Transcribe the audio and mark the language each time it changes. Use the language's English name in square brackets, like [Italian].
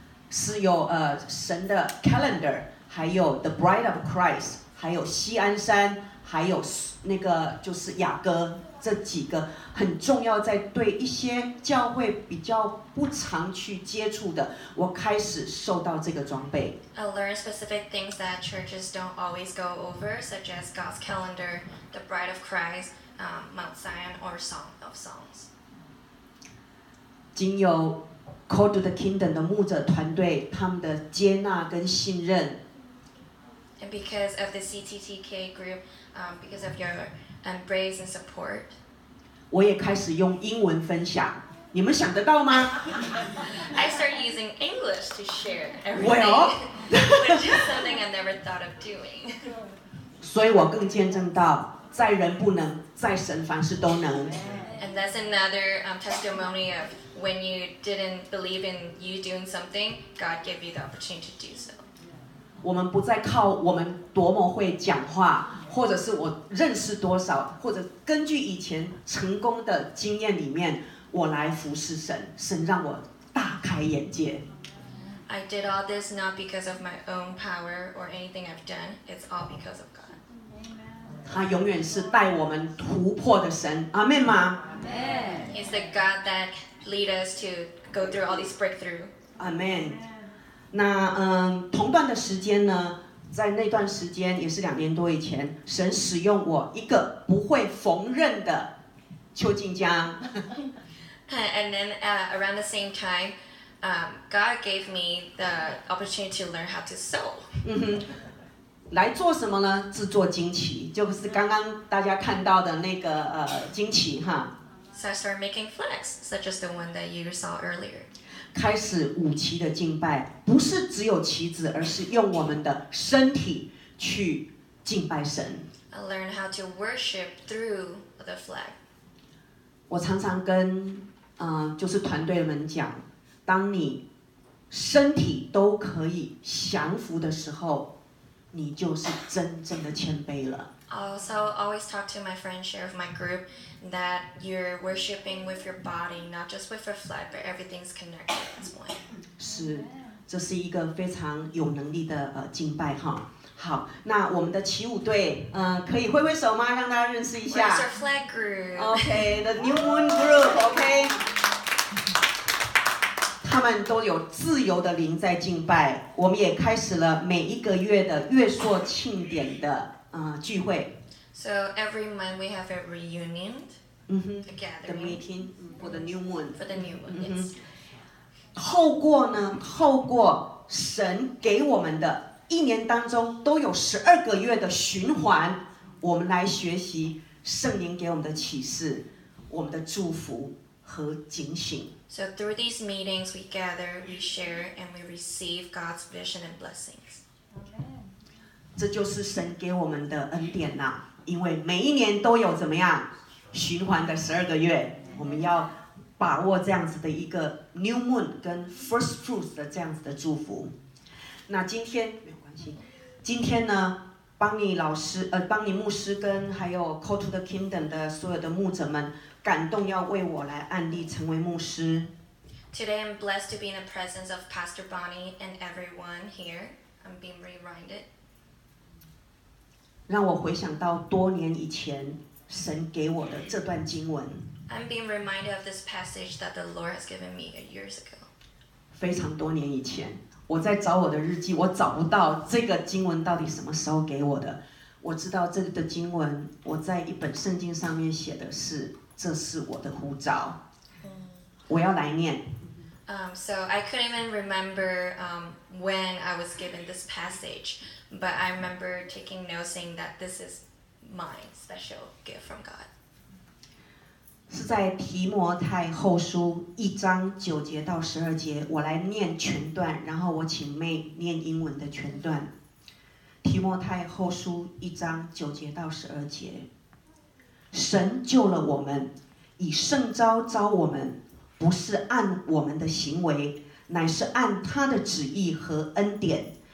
[Chinese] 是有神的 calendar, 还有 the Bride of Christ, 还有锡安山，还有那个就是雅歌。这几个很重要，在对一些教会比较不常去接触的，我开始受到这个装备。 [English] I learned specific things that churches don't always go over, such as God's calendar, the Bride of Christ, Mount Zion, or Song of Songs. [Chinese] 经由 Call to the Kingdom 的牧者团队他们的接纳跟信任。 [English] And because of the CTTK group, because of your embrace and support. 我也开始用英文分享，你们想得到吗？ I started using English to share everything. Well, which is something I never thought of doing. [Chinese] 所以我更见证到，在人不能，在神凡事都能。 [English] And that's another testimony of when you didn't believe in you doing something, God gave you the opportunity to do so. [Chinese] 我们不再靠我们多么会讲话，或者是我认识多少，或者根据以前成功的经验里面我来服侍神，神让我大开眼界。 [English] I did all this not because of my own power or anything I've done. It's all because of God. [Chinese] 他永远是带我们突破的神。阿门吗？阿门。 [English] It's the God that lead us to go through all these breakthrough. [Chinese] 阿门。那同段的时间呢？在那段时间，也是两年多以前，神使用我一个不会缝纫的邱静江。 [English] And then around the same time, God gave me the opportunity to learn how to sew. [Chinese] 来做什么呢？制作旌旗，就是刚刚大家看到的那个旌旗哈。 [English] So I started making flags, such as the one that you saw earlier. [Chinese] 开始舞旗的敬拜，不是只有旗子，而是用我们的身体去敬拜神。 [English] I learned how to worship through the flag. [Chinese] 我常常跟就是团队们讲，当你身体都可以降服的时候，你就是真正的谦卑了。 [English] Also, always talk to my friend, share with my group that you're worshiping with your body, not just with your flesh, but everything's connected at this point. [Chinese] 是，这是一个非常有能力的敬拜哈。好，那我们的旗舞队，可以挥挥手吗？让大家认识一下。 [English] Where's our flag group? Okay, the New Moon Group. Okay. [Chinese] 他们都有自由的灵在敬拜，我们也开始了每一个月的月朔庆典的聚会。 [English] So every month we have a reunion, a gathering. The meeting for the New Moon. For the New Moon. Yes. [Chinese] 透过呢，透过神给我们的。一年当中都有十二个月的循环，我们来学习圣灵给我们的启示，我们的祝福和警醒。 [English] So through these meetings, we gather, we share, and we receive God's vision and blessings. Amen. [Chinese] 这就是神给我们的恩典呐、啊，因为每一年都有怎么样循环的十二个月，我们要把握这样子的一个 New Moon 跟 First Fruits 的这样子的祝福。那今天没有关系，今天呢，邦尼老师，邦尼牧师跟还有 Call to the Kingdom 的所有的牧者们，感动要为我来案例成为牧师。 [English] Today I'm blessed to be in the presence of Pastor Bonnie and everyone here. I'm being reminded. [Chinese] 让我回想到多年以前神给我的这段经文。 [English] I'm being reminded of this passage that the Lord has given me years ago. [Chinese] 非常多年以前。我在找我的日记，我找不到这个经文到底什么时候给我的。我知道这个经文，我在一本圣经上面写的是，这是我的呼召。我要来念。 [English] So I couldn't even remember when I was given this passage, but I remember taking note saying that this is my special gift from God. [Chinese] 是在提摩太后书一章九节到十二节，我来念全段，然后我请妹念英文的全段。提摩太后书一章九节到十二节，神救了我们，以圣召召我们，不是按我们的行为，乃是按他的旨意和恩典。